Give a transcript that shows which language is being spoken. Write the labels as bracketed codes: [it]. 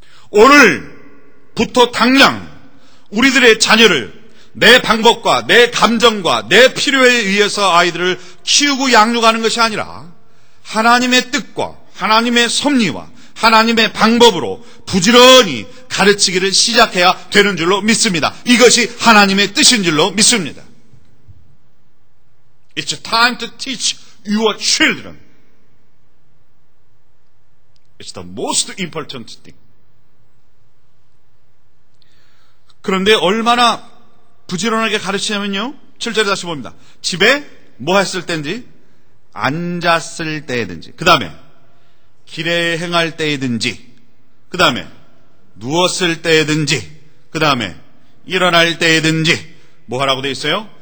[ko] 오늘부터 당장 우리들의 자녀를 내 방법과 내 감정과 내 필요에 의해서 아이들을 키우고 양육하는 것이 아니라 하나님의 뜻과 하나님의 섭리와 하나님의 방법으로 부지런히 가르치기를 시작해야 되는 줄로 믿습니다. 이것이 하나님의 뜻인 줄로 믿습니다. [en] It's time to teach your children. It's the most important thing. [ko] 그런데 얼마나 부지런하게 가르치냐면요. 7절에 다시 봅니다. 집에 뭐 했을 때든지 앉았을 때든지 그 다음에 길에 행할 때든지 그 다음에 누웠을 때든지 그 다음에 일어날 때든지 뭐하라고 되어 있어요?